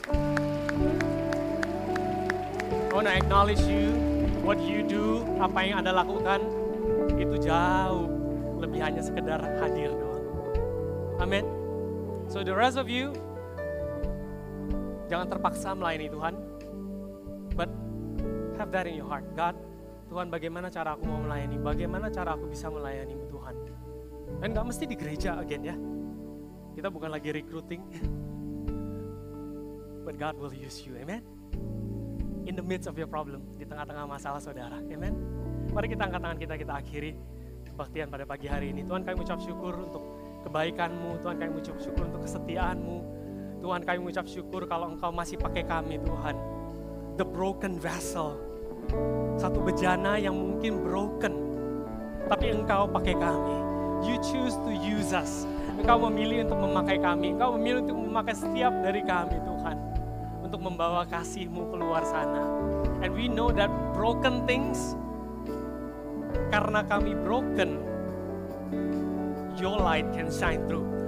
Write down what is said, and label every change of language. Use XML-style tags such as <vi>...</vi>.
<en>I want to acknowledge you, what you do,</en> <id>apa yang Anda lakukan, itu jauh lebih hanya sekedar hadir doang. Amen.</id> <en>So the rest of you,</en> <id>jangan terpaksa melayani Tuhan,</id> <en>but have that in your heart.</en> <id>God, Tuhan, bagaimana cara aku mau melayani? Bagaimana cara aku bisa melayani Tuhan? Dan gak mesti di gereja again ya. Kita bukan lagi recruiting.</id> <en>But God will use you, amen? In the midst of your problem,</en> <id>di tengah-tengah masalah saudara,</id> <en>amen?</en> <id>Mari kita angkat tangan kita akhiri kebaktian pada pagi hari ini. Tuhan, kami ucap syukur untuk kebaikan-Mu. Tuhan, kami ucap syukur untuk kesetiaan-Mu. Tuhan, kami ucap syukur kalau Engkau masih pakai kami, Tuhan.</id> <en>The broken vessel.</en> <id>Satu bejana yang mungkin broken, tapi Engkau pakai kami.</id> <en>You choose to use us.</en> <id>Engkau memilih untuk memakai kami. Engkau memilih untuk memakai setiap dari kami, Tuhan. Untuk membawa kasih-Mu keluar sana.</id> <en>And we know that broken things,</en> <id>karena kami broken,</id> <en>your light can shine through.</en>